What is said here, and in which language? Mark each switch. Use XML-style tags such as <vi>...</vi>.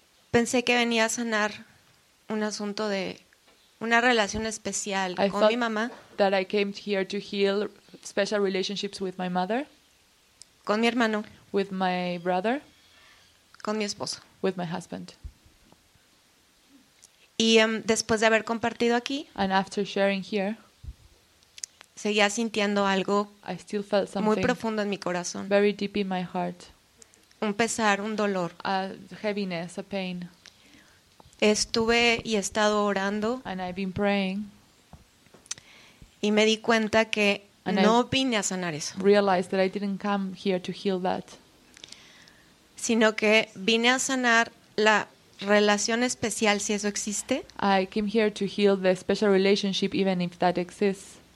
<es>pensé que venía a sanar un asunto de una relación especial con mi mamá.</es> <en>That I came here to heal special relationships with my mother.</en> <es>Con mi hermano.</es> <en>With my brother.</en> <es>Con mi esposo.</es> <en>With my husband.</en> <es>Y después de haber compartido aquí,</es> <en>and after sharing here,</en> <es>seguía sintiendo algo,</es> <en>I still felt something</en> <es>muy profundo en mi corazón.</es> <en>Very deep in my heart.</en> <es>Un pesar, un dolor.</es> <en>A heaviness, a pain.</en> <es>Estuve y he estado orando.</es> <en>And I've been praying.</en> <es>Y me di cuenta que no vine a sanar eso.</es> <en>Realized that I didn't come here to heal that.</en> <es>Sino que vine a sanar la relación especial, si eso existe.</es> <en>I came here to heal the special relationship, even if that exists.</en>